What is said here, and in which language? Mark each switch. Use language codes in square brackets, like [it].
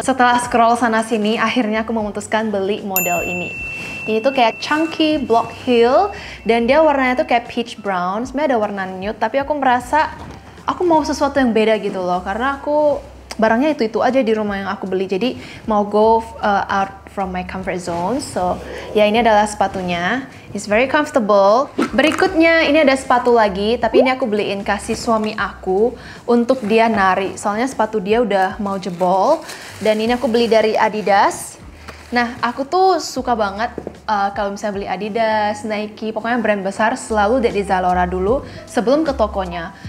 [id] Setelah scroll sana sini, akhirnya aku memutuskan beli model ini. Ini tuh kayak chunky block heel, dan dia warnanya tuh kayak peach brown. Sebenernya ada warna nude, tapi aku merasa aku mau sesuatu yang beda gitu loh, karena aku barangnya itu-itu aja di rumah yang aku beli. Jadi mau [en] go out from my comfort zone. [id] So, ya, ini adalah sepatunya. [en] It's very comfortable. [id] Berikutnya, ini ada sepatu lagi, tapi ini aku beliin kasih suami aku untuk dia nari. Soalnya sepatu dia udah mau jebol. Dan ini aku beli dari Adidas. Nah, aku tuh suka banget kalau misalnya beli Adidas, Nike, pokoknya brand besar, selalu di Zalora dulu sebelum ke tokonya.